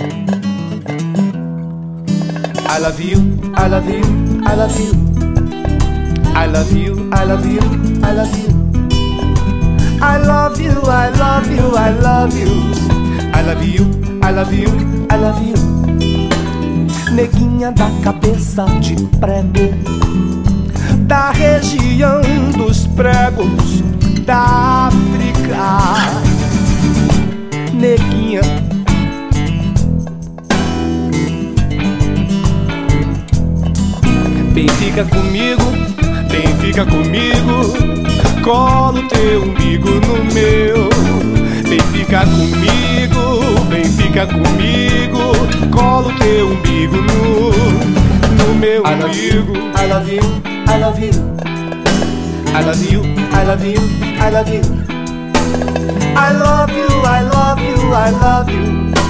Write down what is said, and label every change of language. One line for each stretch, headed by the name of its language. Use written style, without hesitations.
English: I love you, I love you, I love you. I love you, I love you, I love you. I love you, I love you, I love you. I love you, I love you, I love you.
Portuguese: Neguinha da cabeça de prego, da região dos pregos, da África. Neguinha. Vem fica comigo, vem fica comigo. Cola o teu umbigo no meu. Vem fica comigo, vem fica comigo. Cola o teu umbigo no meu umbigo.
English: I love you, I love you, I love you. I love you, I love you, I love you. I love you, I love you, I love you.